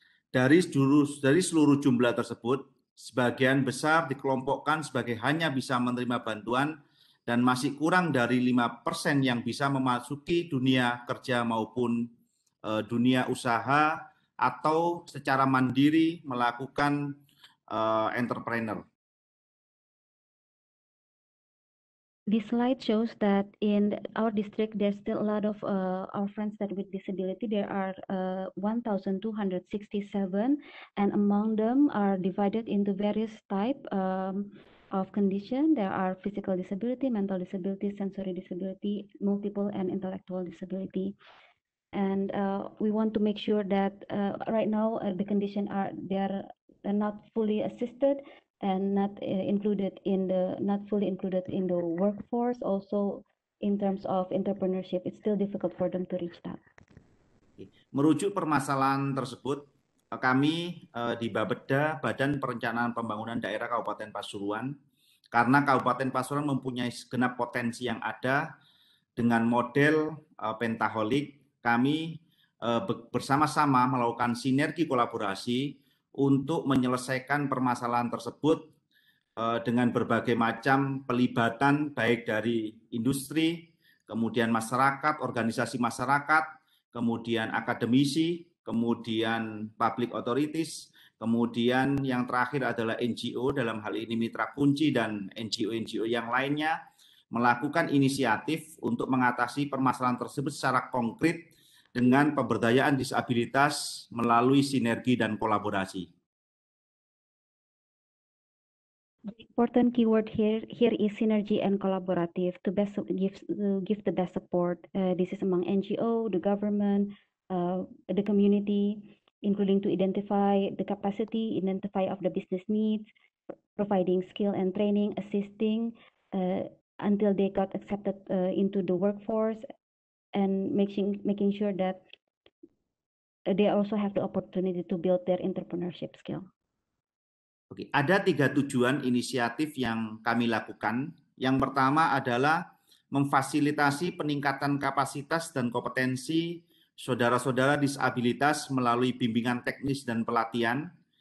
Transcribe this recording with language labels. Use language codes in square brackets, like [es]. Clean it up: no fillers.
[id] Dari seluruh jumlah tersebut, sebagian besar dikelompokkan sebagai hanya bisa menerima bantuan dan masih kurang dari 5% yang bisa memasuki dunia kerja maupun dunia usaha atau secara mandiri melakukan entrepreneur. [en] This slide shows that in our district, there's still a lot of our friends that with disability. There are 1,267, and among them are divided into various type of condition. There are physical disability, mental disability, sensory disability, multiple and intellectual disability. And we want to make sure that right now the condition are they're not fully assisted and not included in the not fully included in the workforce. Also in terms of entrepreneurship, it's still difficult for them to reach that. [id] Merujuk permasalahan tersebut, kami di Babeda, Badan Perencanaan Pembangunan Daerah Kabupaten Pasuruan, karena Kabupaten Pasuruan mempunyai segenap potensi yang ada dengan model pentaholic, kami bersama-sama melakukan sinergi kolaborasi untuk menyelesaikan permasalahan tersebut dengan berbagai macam pelibatan baik dari industri, kemudian masyarakat, organisasi masyarakat, kemudian akademisi, kemudian public authorities, kemudian yang terakhir adalah NGO, dalam hal ini Mitra Kunci dan NGO-NGO yang lainnya, melakukan inisiatif untuk mengatasi permasalahan tersebut secara konkret dengan pemberdayaan disabilitas melalui sinergi dan kolaborasi. [en] The important keyword here is synergy and collaborative to best give the best support. This is among NGO, the government, the community, including to identify the capacity, identify of the business needs, providing skill and training, assisting until they got accepted into the workforce. And making sure that they also have the opportunity to build their entrepreneurship skill. Okay. [id] Ada tiga tujuan inisiatif yang kami lakukan. Yang pertama adalah memfasilitasi peningkatan kapasitas dan kompetensi saudara-saudara disabilitas melalui bimbingan teknis dan pelatihan.